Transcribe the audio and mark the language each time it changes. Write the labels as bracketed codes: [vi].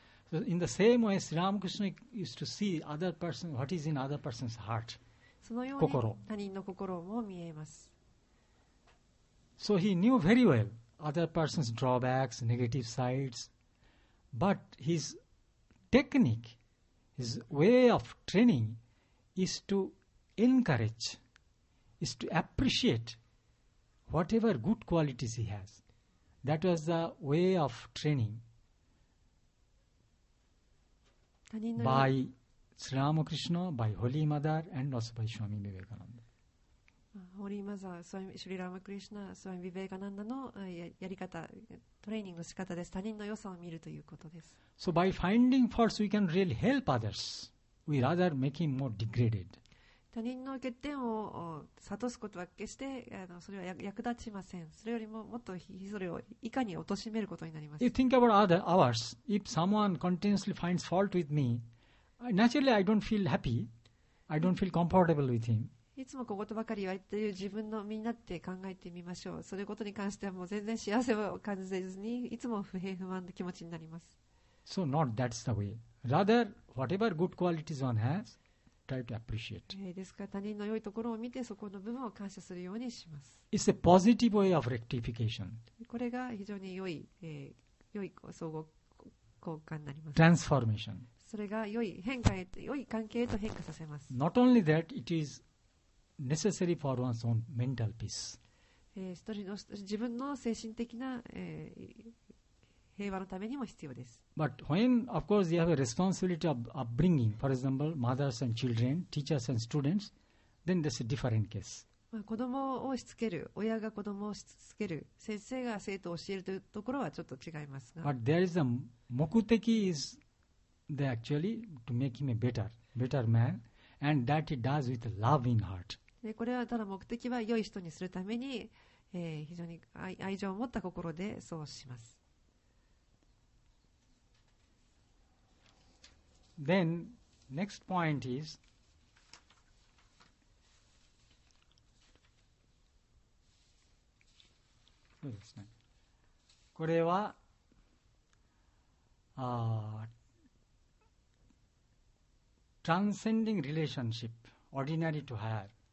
[en] So in the same way, Sri Ramakrishna used to see other person, what is in other person's heart, [ja] 心。他人の心も見えます。 [en] So he knew very well other person's drawbacks, negative sides, but his technique, his way of training is to encourage, is to appreciate. Whatever good qualities he has, that was the way of training by Sri Ramakrishna, by Holy Mother, and also by Swami Vivekananda. [ja] Holy Mother, Sri Ramakrishna, Swami Vivekananda のやり方、トレーニングの仕方です。他人の良さを見るということです。 [en] So by finding faults, we can really help others. We rather make him more degraded. [ja] 他人の欠点を悟すことは決してそれは役立ちません。それよりももっとそれをいかに貶めることになります。 [en] You think about other hours. If someone continuously finds fault with me, naturally I don't feel happy. I don't feel comfortable with him. [ja] いつもこことばかり言われている自分の身になって考えてみましょう。そのことに関してはもう全然幸せを感じずに、いつも不平不満の気持ちになります。 [en] So not that's the way. Rather, whatever good qualities one has,Try to appreciate. [ja] ですから他人の良いところを見てそこの部分を感謝するようにします。 [en] It's a positive way of rectification. [ja] これが非常に良い、良い相互交換になります。 [en] Transformation. [ja] それが良い変化へと良い関係へと変化させます。 [en] Not only that, it is necessary for one's own mental peace. [ja] 一人の自分の精神的な、平和のためにも必要です。 [en] But when, of course, you have a responsibility of upbringing, for example, mothers and children, teachers and students, then that's a different case. [ja] 子供をしつける、親が子供をしつける、先生が生徒を教えるというところはちょっと違いますが。 [en] But there is a 目的 is the actually to make him a better, better man, and that he does with love in heart. [ja] これはただ目的は良い人にするために、非常に 愛情を持った心でそうします。 [en] Then next point is [ja] そうですね、これは [en] Transcending relationship ordinary to higher